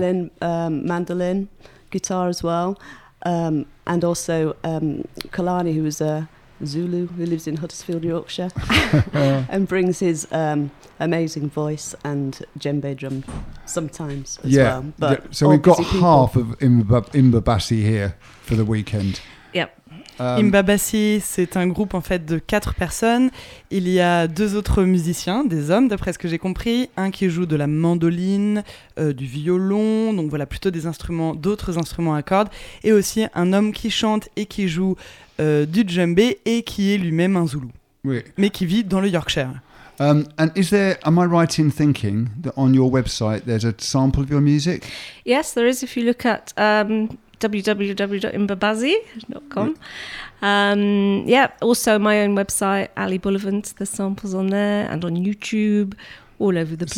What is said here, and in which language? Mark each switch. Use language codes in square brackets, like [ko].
[en] Violin, mandolin, guitar as well. And also Kalani, who is a Zulu, who lives in Huddersfield, Yorkshire, and brings his amazing voice and djembe drum sometimes as yeah. well. But yeah. So we've got half of Imbabasi here for the weekend. Yep. [fr] Imbabasi, c'est un groupe en fait de 4 personnes. Il y a 2 autres musiciens, des hommes d'après ce que j'ai compris. Un qui joue de la mandoline, du violon, donc voilà plutôt des instruments, d'autres instruments à cordes. Et aussi un homme qui chante et qui joue du djembé et qui est lui-même un Zoulou. Oui. Mais qui vit dans le Yorkshire. [en] And is there, am I right in thinking that on your website there's a sample of your music? Yes, there is if you look at www.imbabasi.com. Also my own website, Ali Bullivant, the samples on there and on YouTube, all over the place.